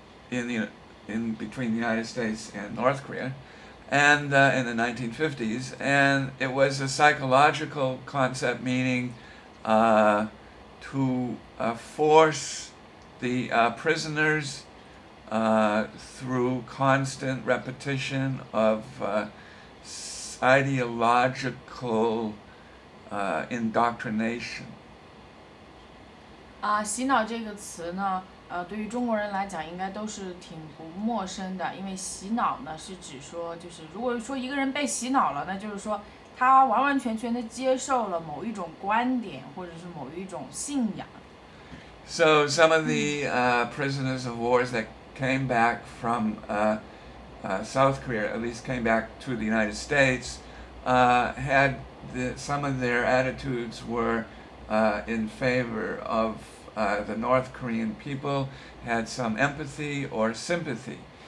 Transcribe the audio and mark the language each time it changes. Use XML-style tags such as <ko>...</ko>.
<en>in between the United States and North Korea, and in the 1950s, and it was a psychological concept meaning to force the prisoners through constant repetition of ideological indoctrination.</en> <zh>洗脑这个词呢，对于中国人来讲应该都是挺不陌生的，因为洗脑呢是指说，就是如果说一个人被洗脑了，那就是说他完完全全的接受了某一种观点或者是某一种信仰。</zh> <en>So some of the prisoners of war that came back from South Korea, at least came back to the United States, had some of their attitudes were in favor of the North Korean people, had some empathy or sympathy.</en>